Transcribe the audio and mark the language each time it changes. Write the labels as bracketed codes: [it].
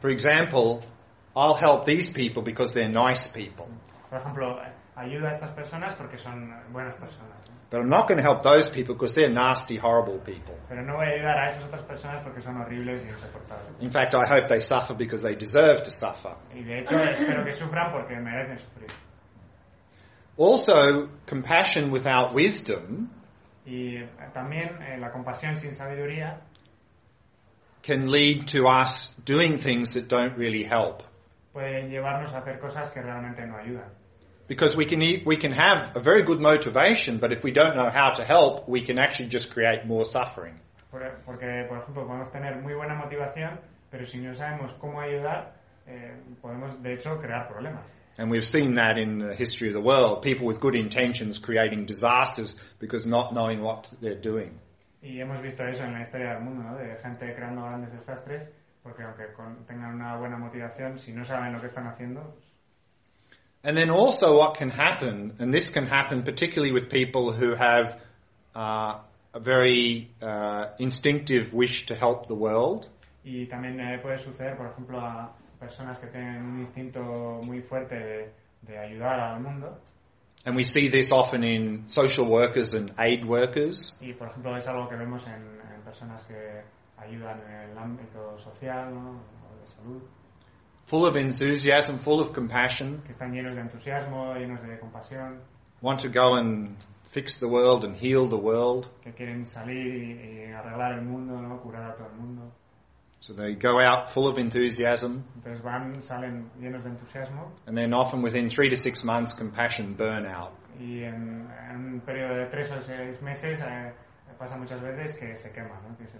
[en] For example, I'll help these people because they're nice people. [es] Por ejemplo, ayudo a estas personas porque son buenas personas. [en] But I'm not going to help those people because they're nasty, horrible people. [es] Pero no voy a ayudar a esas otras personas porque son horribles y insoportables. [en] In fact, I hope they suffer because they deserve to suffer. [es] Y de hecho, espero que sufran porque merecen sufrir. [en] Also, compassion without wisdom, [es] y también la compasión sin sabiduría, [en] can lead to us doing things that don't really help. [es] Pueden llevarnos a hacer cosas que realmente no ayudan. [en] Because we can have a very good motivation, but if we don't know how to help, we can actually just create more suffering. [es] Porque, por ejemplo, podemos tener muy buena motivación, pero si no sabemos cómo ayudar, podemos, de hecho, crear problemas. [en] And we've seen that in the history of the world, people with good intentions creating disasters because not knowing what they're doing. [es] Y hemos visto eso en la historia del mundo, ¿no?, de gente creando grandes desastres, porque aunque tengan una buena motivación, si no saben lo que están haciendo. [en] And then also what can happen, and this can happen particularly with people who have a very instinctive wish to help the world. [es] Y también puede suceder, por ejemplo, a personas que tienen un instinto muy fuerte de ayudar al mundo. [en] And we see this often in social workers and aid workers. [es] Y por ejemplo es algo que vemos en personas que ayudan en el ámbito social, ¿no?, o de salud. [en] Full of enthusiasm, full of compassion. [es] Que están llenos de entusiasmo, llenos de compasión. [en] Want to go and fix the world and heal the world. [es] Que quieren salir y arreglar el mundo, ¿no?, curar a todo el mundo. [en] So they go out full of enthusiasm. [es] Entonces van, salen llenos de entusiasmo. [en] And then often within 3 to 6 months, compassion burnout. [es] Y en un periodo de 3 o 6 meses pasa muchas veces que se queman, ¿no?